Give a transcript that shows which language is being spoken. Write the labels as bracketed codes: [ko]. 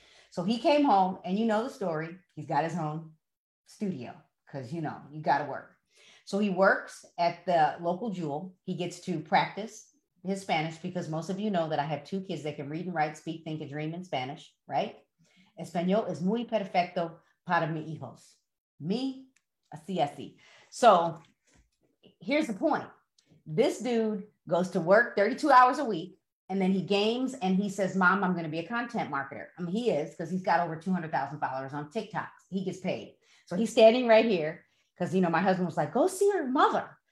[en] So he came home and you know the story. He's got his own studio because, you know, you got to work. So he works at the local Jewel. He gets to practice his Spanish, because most of you know that I have two kids that can read and write, speak, think, and dream in Spanish, right? [es] Español es muy perfecto para mis hijos. [en] Me, [es] así, así. [en] So here's the point. This dude goes to work 32 hours a week, and then he games, and he says, Mom, I'm going to be a content marketer. I mean, he is, because he's got over 200,000 followers on TikTok. He gets paid. So he's standing right here, because, you know, my husband was like, go see your mother.